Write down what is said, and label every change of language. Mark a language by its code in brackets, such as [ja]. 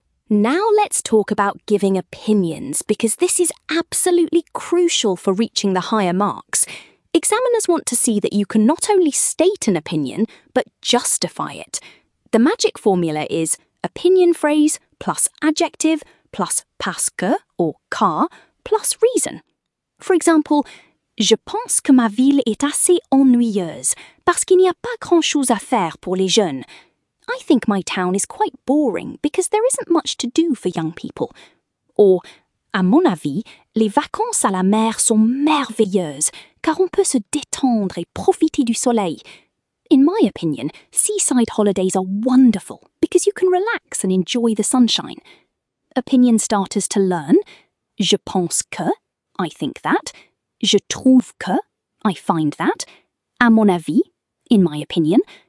[en] Now let's talk about giving opinions, because this is absolutely crucial for reaching the higher marks. Examiners want to see that you can not only state an opinion, but justify it. The magic formula is opinion phrase plus adjective plus parce que or car plus reason. For example, [fr] je pense que ma ville est assez ennuyeuse parce qu'il n'y a pas grand-chose à faire pour les jeunes. [en] I think my town is quite boring because there isn't much to do for young people. [fr] Or, à mon avis, les vacances à la mer sont merveilleuses car on peut se détendre et profiter du soleil. [en] In my opinion, seaside holidays are wonderful because you can relax and enjoy the sunshine. Opinion starters to learn. [fr] Je pense que, [en] I think that. [fr] Je trouve que, [en] I find that. [fr] À mon avis, [en] in my opinion.